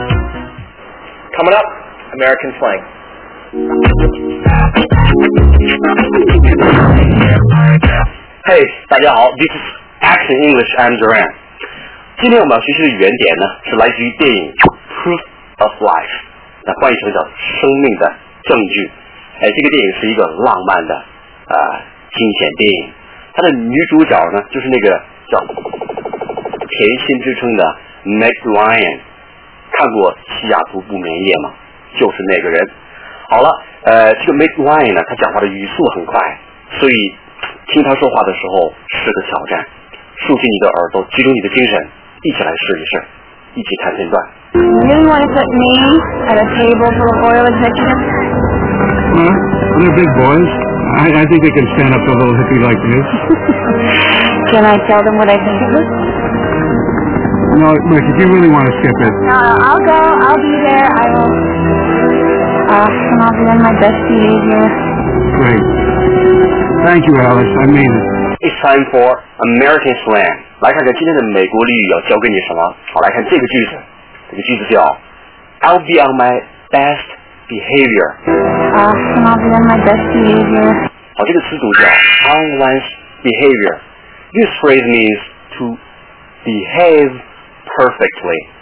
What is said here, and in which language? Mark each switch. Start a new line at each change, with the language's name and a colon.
English: Coming up, American Slang. Hey,
Chinese: 大家好,
English: this is Action English, I'm Duran.
Chinese: 今天我们要学习的原点呢, 是来自于电影 Proof of Life, 那翻译成叫生命的证据。这个电影是一个浪漫的, 惊险电影。它的女主角呢, 就是那个叫 甜心之称的 Meg Ryan, 看过西雅图不眠夜吗?就是那个人。好了, 这个 Meg Ryan 呢, 他讲话的语速很快, 所以 听他说话的时候是个挑战，竖起你的耳朵，集中你的精神，一起来试一试，一起看片段。
English: You really want to put me at a table full of oil and hickory? Well, they're big boys. I think they can stand up to a little hippie like me. Can I tell them what I think of this? No, Mike, if you really want to skip it. No, I'll go. I'll be there. I will. And I'll be on my best behavior. Great. Thank you, Alice. I mean it. It's time for American Slam.
Chinese: 来看看今天的美国俚语要教给你什么。好，来看这个句子。这个句子叫
English: I'll be on my best behavior. And I'll be on my best behavior.
Chinese: 好，这个词组叫
English: on one's behavior. This phrase means to behave perfectly.